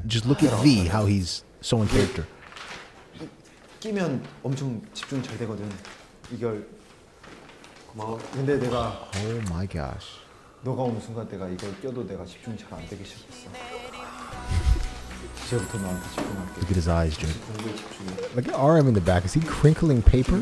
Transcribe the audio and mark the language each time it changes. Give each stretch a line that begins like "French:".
English: But just look at V, how he's so in character.
Korean: 끼면 엄청 집중 잘 되거든. 이걸 고마워. 근데 내가
English: Oh my gosh.
Korean: 너가 오는 순간 내가 이걸 껴도 내가 집중 잘 안 되기 시작했어. 이제부터 너한테 집중할게.
English: Look at his eyes, dude. Look at RM in the back. Is he crinkling paper?